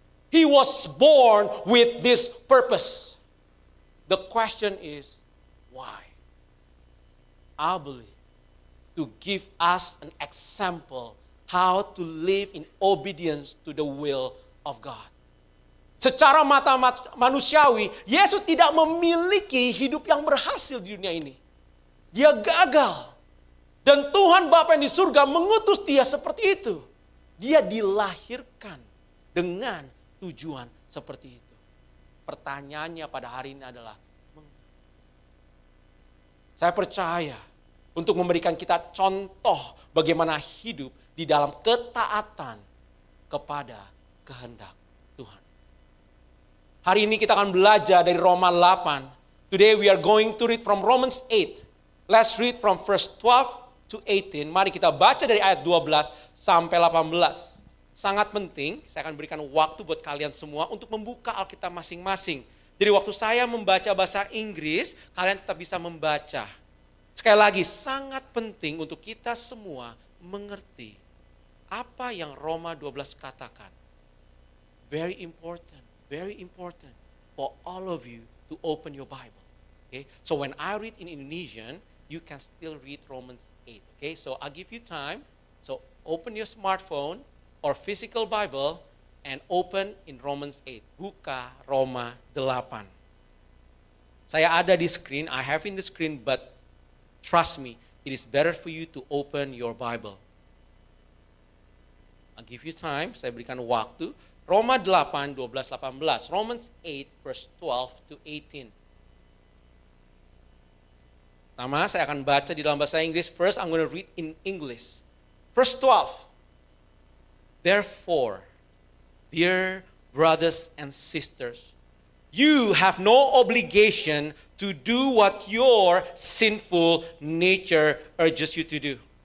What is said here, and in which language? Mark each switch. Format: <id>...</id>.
<en>He was born with this purpose. The question is, why? I believe to give us an example how to live in obedience to the will of God.</en> <id>Secara mata manusiawi, Yesus tidak memiliki hidup yang berhasil di dunia ini. Dia gagal. Dan Tuhan Bapa yang di surga mengutus Dia seperti itu. Dia dilahirkan dengan tujuan seperti itu. pertanyaannya pada hari ini adalah, saya percaya untuk memberikan kita contoh bagaimana hidup di dalam ketaatan kepada kehendak Tuhan. Hari ini kita akan belajar dari Roma 8.</id> <en>Today we are going to read from Romans 8. Let's read from verse 12 to 18.</en> <id>Mari kita baca dari ayat 12 sampai 18. Sangat penting, saya akan berikan waktu buat kalian semua untuk membuka Alkitab masing-masing. Jadi waktu saya membaca bahasa Inggris, kalian tetap bisa membaca. Sekali lagi, sangat penting untuk kita semua mengerti apa yang Roma 12 katakan.</id> <en>Very important for all of you to open your Bible. Okay? So when I read in Indonesian, you can still read Romans 8. Okay? So I'll give you time. So open your smartphone or physical Bible and open in Romans 8.</en> <id>Buka Roma 8. Saya ada di screen,</id> <en>I have in the screen, but trust me, it is better for you to open your Bible. I'll give you time,</en> <id>saya berikan waktu.</id> <en>Roma 8, 12-18. Romans 8, verse 12-18.</en> <id>Pertama, saya akan baca di dalam bahasa Inggris.</id> <en>First, I'm going to read in English. Verse 12. Therefore, dear brothers and sisters, you have no obligation to do what your sinful nature urges you to do.</en>